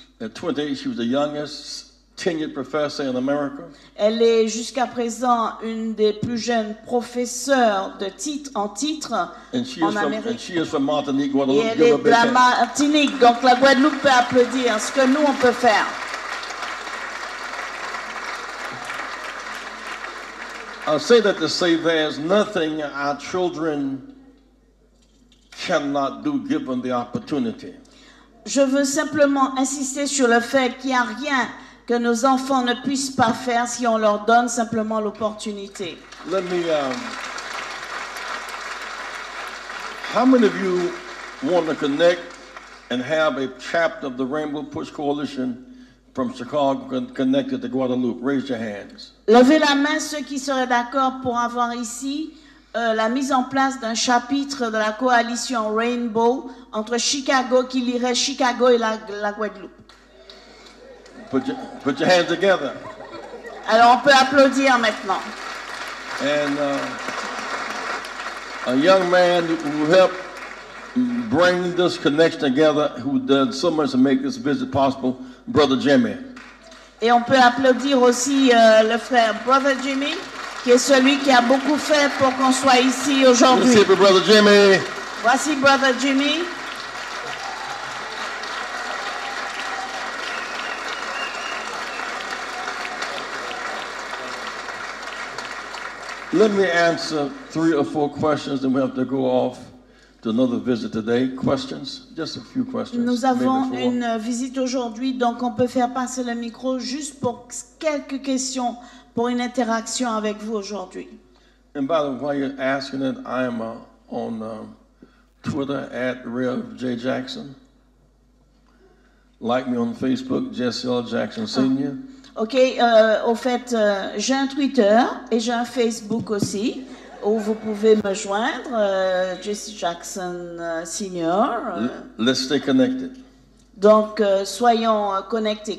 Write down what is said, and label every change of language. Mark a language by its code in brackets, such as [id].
[en] At 28, she was the youngest tenured professor in America. [fr] Elle est jusqu'à présent une des plus jeunes professeurs de titre en titre [en] and she [fr] en [en] is [fr] Amérique. [en] From, and she is from Martinique, Guadeloupe. [fr] Et elle est de la Martinique, donc la Guadeloupe peut applaudir ce que nous on peut faire. [en] I say that to say there's nothing our children cannot do given the opportunity. [fr] Je veux simplement insister sur le fait qu'il n'y a rien que nos enfants ne puissent pas faire si on leur donne simplement l'opportunité. [en] Let me, how many of you want to connect and have a chapter of the Rainbow Push Coalition from Chicago connected to Guadeloupe? Raise your hands. [fr] Levez la main ceux qui seraient d'accord pour avoir ici la mise en place d'un chapitre de la coalition Rainbow entre Chicago, qui lirait Chicago et la Guadeloupe. [en] Put your hands together. [fr] Alors on peut applaudir maintenant. [en] And a young man who helped bring this connection together, who did so much to make this visit possible, Brother Jimmy. [fr] Et on peut applaudir aussi le frère Brother Jimmy, qui est celui qui a beaucoup fait pour qu'on soit ici aujourd'hui. Merci, Brother Jimmy. Voici Brother Jimmy. [en] Let me answer three or four questions, and we have to go off to another visit today. Questions? Just a few questions. [fr] Nous avons une visite aujourd'hui, donc on peut faire passer le micro juste pour quelques questions, pour une interaction avec vous aujourd'hui. [en] And by the way, while you're asking it, I am on Twitter at Rev J Jackson. Like me on Facebook, Jesse L. Jackson Sr. [fr] OK, au fait, j'ai un Twitter et j'ai un Facebook aussi où vous pouvez me joindre, Jesse Jackson Senior. [en] Let's stay connected. [fr] Donc, soyons connectés.